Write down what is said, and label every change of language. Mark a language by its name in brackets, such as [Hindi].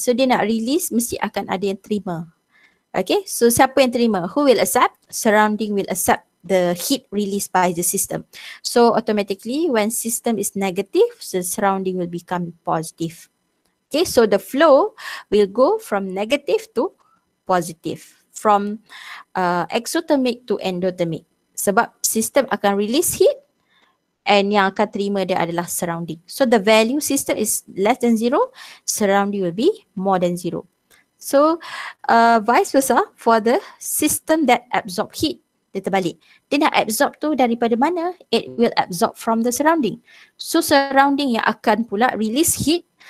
[Malay] So dia nak release, mesti akan ada yang terima. Okay, so siapa yang terima? [English] Who will accept? Surrounding will accept the heat released by the system. So automatically when system is negative, the surrounding will become positive. Okay, so the flow will go from negative to positive. From exothermic to endothermic. [Malay] Sebab system akan release heat and yang akan terima dia adalah surrounding. [English] So the value system is less than zero, surrounding will be more than zero. So vice versa for the system that absorb heat, [Malay] dia terbalik. Dia nak absorb tu daripada mana? [English] It will absorb from the surrounding. [Malay] So surrounding yang akan pula release heat.